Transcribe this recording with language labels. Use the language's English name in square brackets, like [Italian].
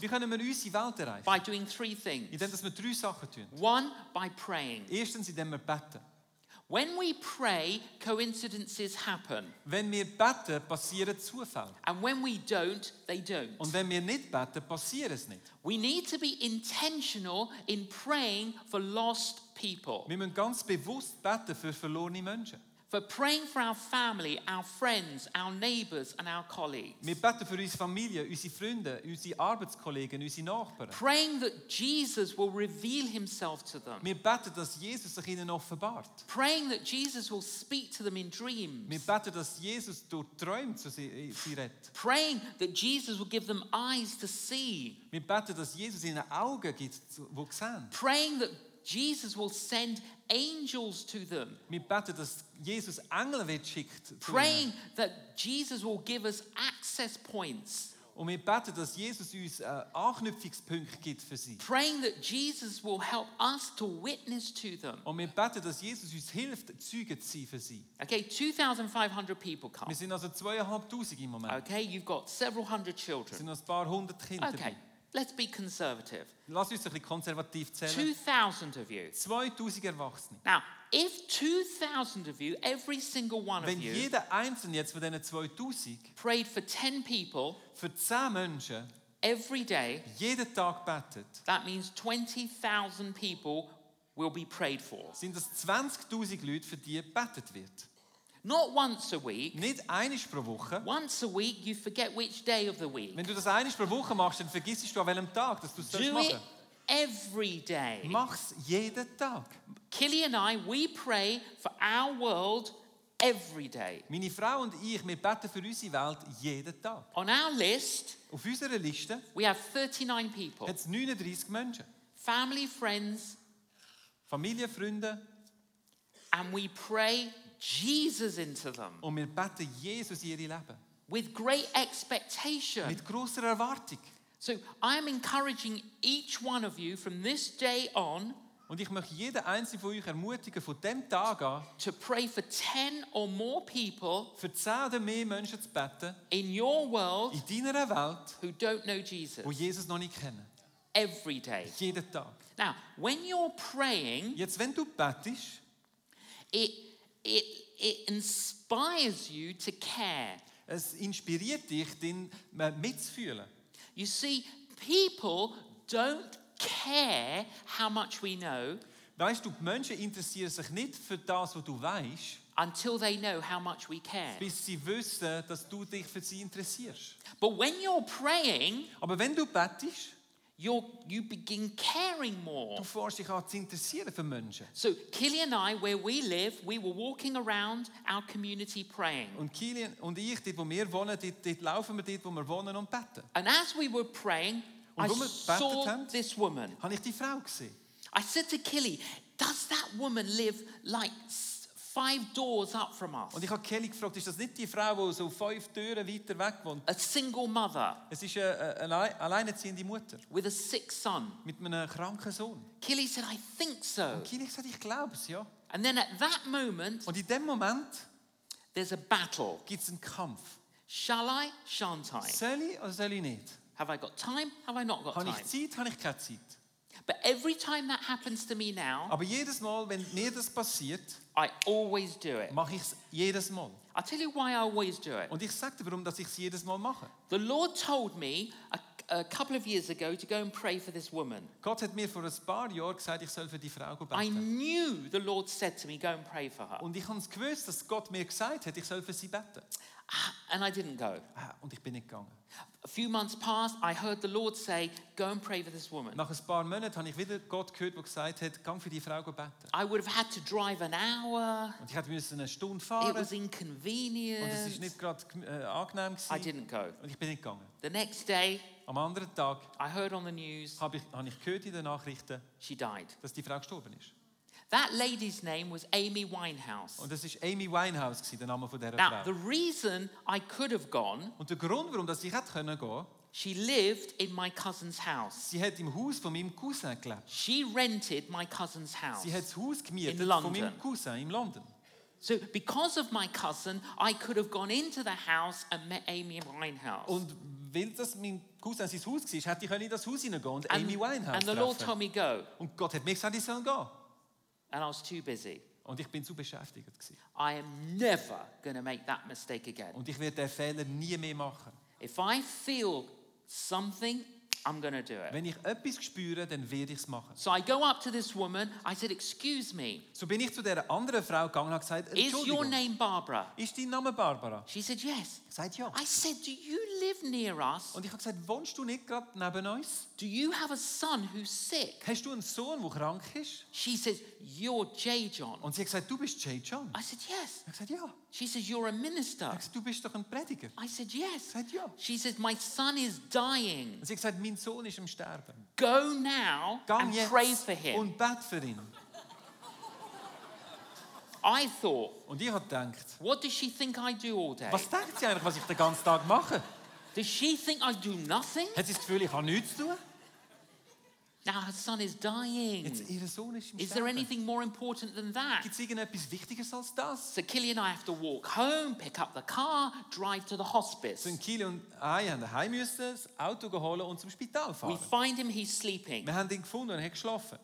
[German] Wie können wir unsere Welt erreichen? [English] By doing three things. [German] Indem wir drei Sachen tun. [English] One, by praying. [German] Erstens, indem wir beten. [English] When we pray, coincidences happen. [German] Wenn wir beten, passieren Zufälle. [English] And when we don't, they don't. [German] Und wenn wir nicht beten, passiert es nicht. [English] We need to be intentional in praying for lost people. [German] Wir müssen ganz bewusst beten für verlorene Menschen. [English] For praying for our family, our friends, our neighbors, and our colleagues. [German] Wir beten für unsere Familie, unsere Freunde, unsere Arbeitskollegen, unsere Nachbarn. [English] Praying that Jesus will reveal himself to them. [German] Wir beten, dass Jesus sich ihnen offenbart. [English] Praying that Jesus will speak to them in dreams. [German] Wir beten, dass Jesus durch Träume zu sie redet. [English] Praying that Jesus will give them eyes to see. [German] Wir beten, dass Jesus ihnen Augen gibt, wo sie sehen. [English] Praying that Jesus will send angels to them. [German] Wir beten, dass Jesus Engel wird schickt. [English] Praying that Jesus will give us access points. [German] Und wir beten, dass Jesus uns Anknüpfungspunkte gibt für sie. [English] Praying that Jesus will help us to witness to them. [German] Und wir beten, dass Jesus uns hilft, Zeuge zu sein für sie. [English] Okay, 2,500 people come. [German] Wir sind also 2,500 im Moment. [English] Okay, you've got several hundred children. [German] Es sind noch ein paar hundert Kinder. [English] Okay, let's be conservative. [German] Lass uns ein bisschen konservativ zählen. [English] 2,000 of you. [German] 2,000 Erwachsene. [English] Now, if 2,000 of you, every single one of [German] Wenn [English] you, [German] jeder Einzelne jetzt von diesen 2,000 [English] prayed for 10 people, [German] für 10 Menschen [English] every day, [German] jeden Tag betet, [English] that means 20,000 people will be prayed for. [German] Sind das 20,000 Leute, für die betet wird? [English] Not once a week. [German] Nicht einmal pro Woche. [English] Once a week, you forget which day of the week. [German] Wenn du das einmal pro Woche machst, dann vergisst du an welchem Tag, dass du es machen sollst. [English] Every day. [German] Mach's jeden Tag. [English] Killy and I, we pray for our world every day. [German] Meine Frau und ich, wir beten für unsere Welt jeden Tag. [English] On our list, [German] auf unserer Liste, [English] we have 39 people. [German] Hat's 39 Menschen. [English] Family, friends, [German] Familie, Freunde, [English] and we pray Jesus into them. [German] Und wir beten Jesus in ihre Leben. [English] With great expectation. [German] Mit grosser Erwartung. [English] So I am encouraging each one of you from this day on. [German] Und ich möchte jeden einzelnen von euch ermutigen, von dem Tag an, [English] to pray for 10 or more people, [German] für 10 oder mehr Menschen zu beten, [English] in your world, [German] in deiner Welt, [English] who don't know Jesus, [German] wo Jesus noch nicht kennen. [English] Every day. [German] Jeden Tag. [English] Now, when you're praying, [German] jetzt wenn du betest, [English] it inspires you to care. [German] Es inspiriert dich, den mitzufühlen. [English] You see, people don't care how much we know. [German] Weißt du, Menschen interessieren sich nicht für das, was du weißt. [English] Until they know how much we care. [German] Bis sie wissen, dass du dich für sie interessierst. [English] But when you're praying, [German] aber wenn du betest, [English] you begin caring more. [German] Du fährst dich an, zu interessieren für Menschen. [English] So, Killy and I, where we live, we were walking around our community praying. [German] Und Killy und ich, dort, wo wir wohnen, dort laufen wir dort, wo wir wohnen und beten. [English] And as we were praying, [German] und [English] I saw haben, this woman. [German] Habe ich die Frau gesehen. [English] I said to Killy, does that woman live like 5 doors up from us? [German] Und ich habe Kelly gefragt, ist das nicht die Frau, die so 5 Türen weiter weg wohnt? [English] A single mother. [German] Es ist eine alleinerziehende Mutter. [English] With a sick son. [German] Mit einem kranken Sohn. [English] Kelly said, I think so. [German] Und Kelly sagt, ich glaube es, ja. [English] And then at that moment, [German] und in dem Moment, [English] there's a battle. [German] Gibt's einen Kampf. [English] Shall I, shan't I? [German] Soll ich oder soll ich nicht? [English] Have I got time, have I not got time? [German] Habe ich Zeit, habe ich keine Zeit? [English] But every time that happens to me now, [German] aber jedes Mal, wenn mir das passiert, [English] I always do it. [German] Mache ich's jedes Mal. [English] I'll tell you why I always do it. [German] Und ich sag dir, warum, dass ich's jedes Mal mache. [English] The Lord told me a couple of years ago to go and pray for this woman. [German] Gott hat mir vor ein paar Jahren gesagt, ich soll für die Frau beten. [English] I knew the Lord said to me, go and pray for her. [German] Und ich han's gewusst, dass Gott mir gesagt hat, ich soll für sie beten. [English] And I didn't go. [German] Und ich bin nicht gegangen. [English] A few months passed, I heard the Lord say, go and pray for this woman. [German] Nach ein paar Monaten habe ich wieder Gott gehört, der gesagt hat, geh für die Frau beten. [English] I would have had to drive an hour. [German] Und ich hätte eine Stunde fahren. [English] It was inconvenient. [German] Und es ist nicht gerade angenehm gewesen. [English] I didn't go. [German] Und ich bin nicht gegangen. [English] The next day, [German] am anderen Tag, [English] I heard on the news, [German] habe ich gehört in den Nachrichten, [English] she died. [German] Dass die Frau gestorben ist. [English] That lady's name was Amy Winehouse. [German] Und das ist Amy Winehouse gsi, der Name von der Frau. [English] Now the reason I could have gone. [German] Und der Grund, warum dass ich hätte können gehen. [English] She lived in my cousin's house. [German] Sie hat im Haus von meinem Cousin gelebt. [English] She rented my cousin's house. [German] Sie hat's Haus gemietet von meinem Cousin in London. [English] So because of my cousin, I could have gone into the house and met Amy Winehouse. [German] Und weil das mein Cousin sein Haus gsi isch, hätte ich in das Haus hinein gehen und Amy Winehouse. [English] And the Lord told me go. [German] Und Gott hat mir gesagt, ich soll gehen. [English] And I was too busy. [German] Und ich bin zu beschäftigt gsi. [English] I am never going to make that mistake again. [German] Und ich werde den Fehler nie mehr machen. [English] If I feel something, I'm going to do it. [German] Wenn ich öppis spüre, dann werde ich's machen. [English] So I go up to this woman. I said, "Excuse me." [German] So bin ich zu der anderen Frau gegangen und gesagt, [English] "Is your name Barbara?" [German] Ist dein Name Barbara? [English] She said, "Yes." [German] Seid ja. [English] I said, "Do you live near us?" [German] Und ich habe gesagt, "Wohnst du nicht grad neben uns?" [English] "Do you have a son who's sick?" [German] Hast du einen Sohn, wo krank ist? [English] She says, "You're Jay John." [German] Und sie hat gesagt, "Du bist Jay John." [English] I said, "Yes." [German] Ich gesagt, "Ja." [English] She says, "You're a minister." [German] Ich gesagt, "Du bist doch ein Prediger." [English] I said, "Yes." [German] Seid ja. [English] She says, "My son is dying." [German] Und sie hat gesagt, "Mein mein Sohn ist im Sterben. [English] Go now and pray for him. [German] Und bet für ihn. [English] I thought. [German] Und ich habe gedacht. [English] What does she think I do all day? [German] Was denkt sie eigentlich, was ich den ganzen Tag mache? [English] Does she think I do nothing? [German] Hat sie das Gefühl, ich habe nichts zu tun? [English] Now her son is dying. [German] Ihr Sohn ist im Sterben. [English] Is there anything more important than that? [German] Gibt es irgendetwas Wichtigeres als das? [English] So Kili and I have to walk home, pick up the car, drive to the hospice. [German] So Kili und ich haben daheim müssen, das Auto holen und zum Spital fahren. [English] We find him, he's sleeping. [German] Wir haben ihn gefunden und er hat geschlafen.